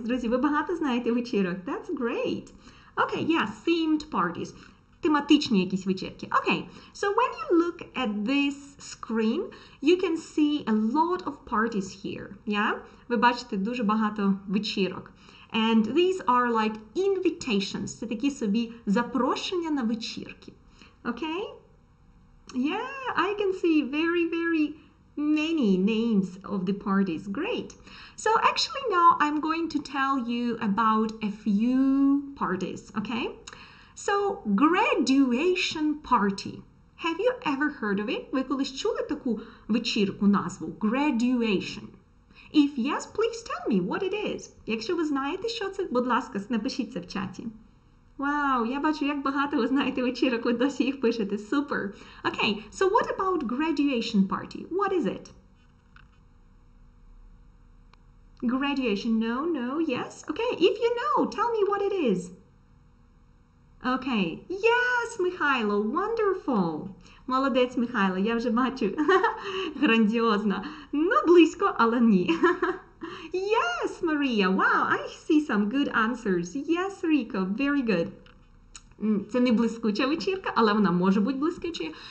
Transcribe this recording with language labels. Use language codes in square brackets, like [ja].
[uk] Друзі, ви багато знаєте вечірок. [en] That's great. Okay, yeah, themed parties. [uk] Тематичні якісь вечірки. [en] Okay, so when you look at this screen, you can see a lot of parties here. Yeah, [uk] ви бачите дуже багато вечірок. [en] And these are like invitations. [uk] Це такі собі запрошення на вечірки. [en] Okay? Yeah, I can see very, very many names of the parties. Great. So actually now I'm going to tell you about a few parties, okay? So graduation party. Have you ever heard of it? [uk] Ви колись чули таку вечірку назву? [en] Graduation. If yes, please tell me what it is. [uk] Якщо ви знаєте, що це, будь ласка, напишіть це в чаті. Wow, я бачу, як багато ви знаєте вечірок, ви досі їх пишете. [en] Супер. Okay, so what about graduation party? What is it? Graduation, no, no, yes. Okay, if you know, tell me what it is. Okay, yes, Михайло, wonderful. [uk] Молодець, Михайло, я вже бачу. Грандіозно. Ну, близько, але ні. [en] Yes, Maria. Wow, I see some good answers. Yes, Rico, very good. [uk] Це не блискуча вечірка, але вона може бути блискучою.